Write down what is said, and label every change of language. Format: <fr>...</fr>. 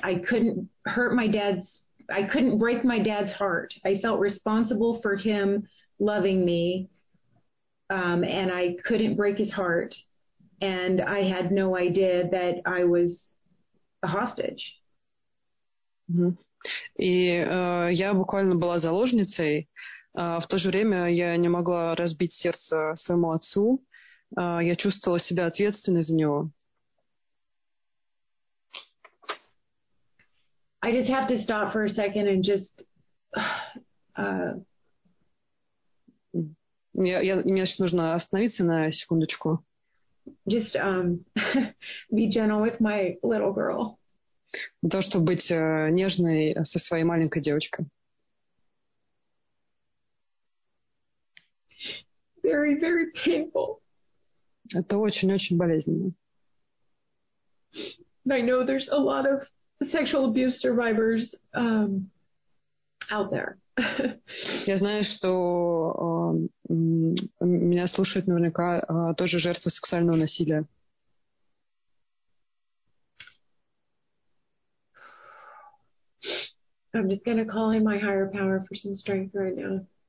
<en>I couldn't break my dad's heart. I felt responsible for him loving me. And I couldn't break his heart. And I had no idea that I was a hostage. Mm-hmm.</en> <ru>И я буквально была заложницей. В то же время я не могла разбить сердце своему отцу. Я чувствовала себя ответственной за него.</ru> <en>I just have to stop for a second and just...</en> <ru>Мне сейчас нужно остановиться на секундочку.</ru> <en>Just be gentle with my little girl.</en> <ru>Для того, чтобы быть нежной со своей маленькой девочкой.</ru> <en>Very, very painful.</en> <ru>Это очень-очень болезненно.</ru> <en>I know there's a lot of sexual abuse survivors out there.</en> <ru>Я знаю, что меня слушают наверняка тоже жертвы сексуального насилия.</ru> <en>I'm just going to call in my higher power for some strength right now.</en>